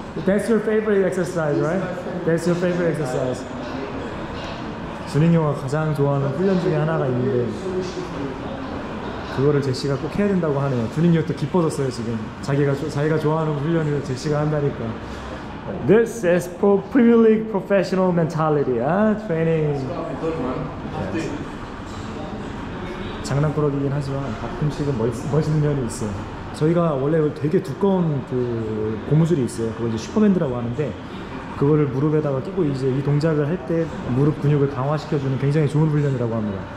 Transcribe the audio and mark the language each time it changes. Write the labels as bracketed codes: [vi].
[en] That's your favorite exercise, right? That's your favorite exercise. [ko] 준인용이 가장 좋아하는 훈련 중에 하나가 있는데. 그거를 제시가 꼭 해야 된다고 하네요. 준인이 또 기뻐졌어요 지금. 자기가 좋아하는 훈련을 제시가 한다니까. [en] This is pro Premier League professional mentality. Training. Yes. [ko] 장난꾸러기긴 하지만 가끔씩은 멋있는 면이 있어요. 저희가 원래 되게 두꺼운 그 고무줄이 있어요. 그걸 이제 슈퍼밴드라고 하는데 그거를 무릎에다가 끼고 이제 이 동작을 할 때 무릎 근육을 강화시켜주는 굉장히 좋은 훈련이라고 합니다.